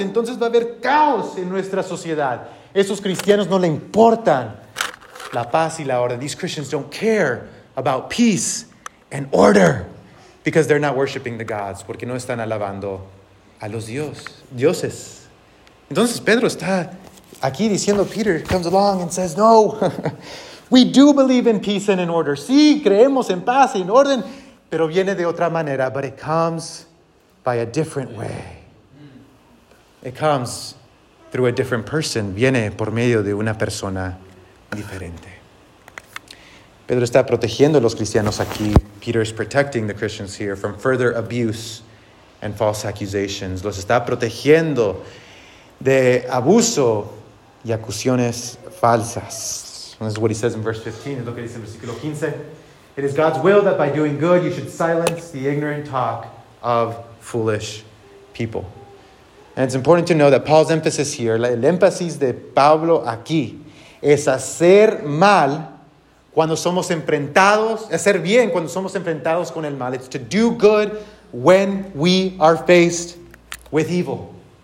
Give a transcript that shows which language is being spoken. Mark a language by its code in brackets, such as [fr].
[es] Entonces va a haber caos en nuestra sociedad. Esos cristianos no le importan la paz y la orden. [en] These Christians don't care about peace and order. Because they're not worshiping the gods. [es] Porque no están alabando a los dioses. Entonces Pedro está aquí diciendo, [en] Peter comes along and says, no, we do believe in peace and in order. [es] Sí, creemos en paz y en orden, pero viene de otra manera. [en] But it comes by a different way. It comes through a different person. [es] Viene por medio de una persona diferente. Pedro está protegiendo a los cristianos aquí. [en] Peter is protecting the Christians here from further abuse and false accusations. [es] Los está protegiendo de abuso y acusaciones falsas. [en] This is what he says in verse 15. Look at this in versículo 15. It is God's will that by doing good you should silence the ignorant talk of foolish people. And it's important to know that Paul's emphasis here, [es] el énfasis de Pablo aquí, es hacer mal cuando somos enfrentados, hacer bien cuando somos enfrentados con el mal. [en] It's to do good when we are faced with evil.